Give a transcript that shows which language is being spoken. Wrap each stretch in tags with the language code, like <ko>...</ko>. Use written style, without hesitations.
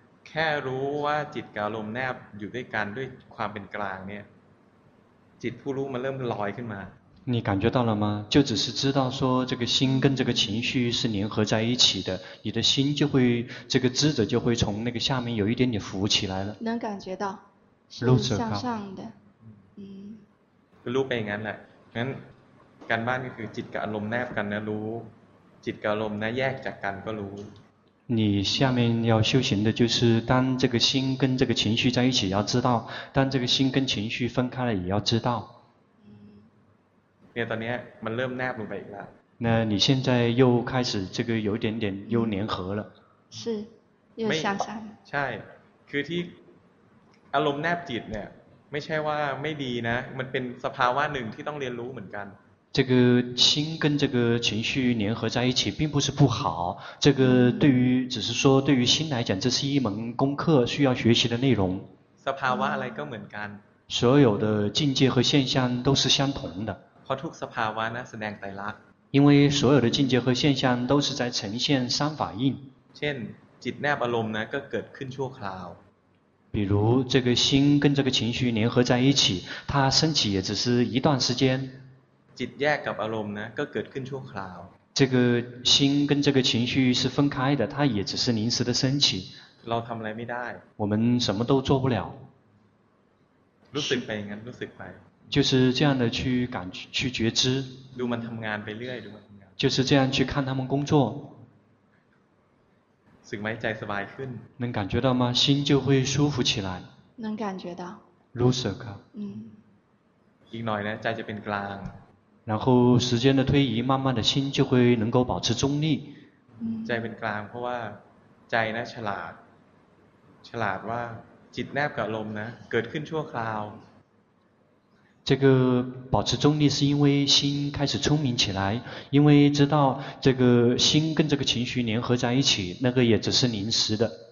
<th>แค่รู้ว่าจิตกับอารมณ์แนบอยู่ด้วยกันด้วยความเป็นกลางเนี่ยจิตผู้รู้มันเริ่มลอยขึ้นมา。</th> <zh>你感觉到了吗？就只是知道说这个心跟这个情绪是联合在一起的，你的心就会这个知者就会从那个下面有一点点浮起来了。能感觉到，是向上的，嗯。</zh> <th>รู้ไปงั้นแหละ งั้นการบ้านก็คือจิตกับอารมณ์แนบกันนะรู้จิตกับอารมณ์นะแยกจากกันก็รู้</th> <zh>你下面要修行的就是当这个心跟这个情绪在一起要知道，当这个心跟情绪分开了也要知道。</zh> <th>ตอนนี้มันเริ่มแนบลงไปอีกแล้ว</th> <zh>那你现在又开始这个有点点又粘合了是又向上</zh> <th>ใช่คือที่อารมณ์แนบจิตเนี่ยไม่ใช่ว่าไม่ดีนะมันเป็นสภาวะหนึ่งที่ต้องเรียนรู้เหมือนกัน</th> <zh>这个心跟这个情绪粘合在一起并不是不好，这个对于只是说对于心来讲这是一门功课需要学习的内容</zh> <th>สภาวะอะไรก็เหมือนกัน</th> <zh>所有的境界和现象都是相同的</zh> <th>เพราะทุกสภาวะนะแสดงไตรลักษณ์</th> <zh>因为所有的境界和现象都是在呈现三法印</zh> <th>เช่นจิตแนบอารมณ์นะก็เกิดขึ้นชั่วคราว</th> <zh>比如这个心跟这个情绪联合在一起它升起也只是一段时间</zh> <th>จิตแยกกับอารมณ์นะก็เกิดขึ้นชั่วคราว</th> <zh>这个心跟这个情绪是分开的它也只是临时的升起</zh> <th>เราทำอะไรไม่ได้</th> <zh>我们什么都做不了</zh> <th>รู้สึกไปงั้นรู้สึกไป</th> <zh>就是这样的去感去觉知</zh> <th>ดูมันทำงานไปเรื่อยดูมันทำงาน</th> <zh>就是这样去看他们工作</zh> <th>สึกไหมใจสบายขึ้น</th> <zh>能感觉到吗心就会舒服起来能感觉到</zh> <th>รู้สึกครับ อีกหน่อยนะใจจะเป็นกลาง</th> <zh>然后时间的推移慢慢的心就会能够保持中立</zh> <th>ใจเป็นกลางเพราะว่าใจนะฉลาดฉลาดว่าจิตแนบกับลมนะเกิดขึ้นชั่วคราว</th> <zh>这个保持中立是因为心开始聪明起来因为知道这个心跟这个情绪联合在一起那个也只是临时的</zh>